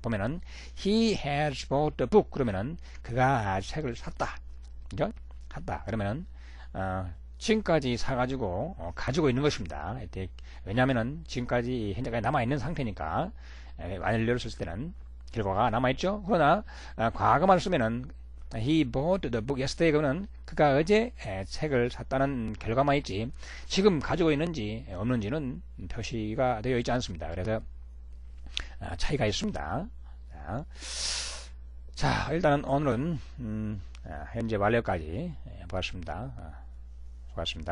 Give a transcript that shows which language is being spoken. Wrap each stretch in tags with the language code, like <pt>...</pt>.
<ko>보면은</ko> <en>he has bought the book</en> <ko>그러면은 그가 책을 샀다. 그죠? 샀다. 그러면은 지금까지 사가지고 가지고 있는 것입니다. 왜냐하면은 지금까지 현재까지 남아 있는 상태니까 완료를 쓸 때는 결과가 남아 있죠. 그러나 과거만 쓰면은</ko> <en>he bought the book yesterday.</en> <ko>그러면 그가 어제 책을 샀다는 결과만 있지 지금 가지고 있는지 없는지는 표시가 되어 있지 않습니다. 그래서 차이가 있습니다. 자, 일단은 오늘은 현재 완료까지 보았습니다. 수고하셨습니다.</ko>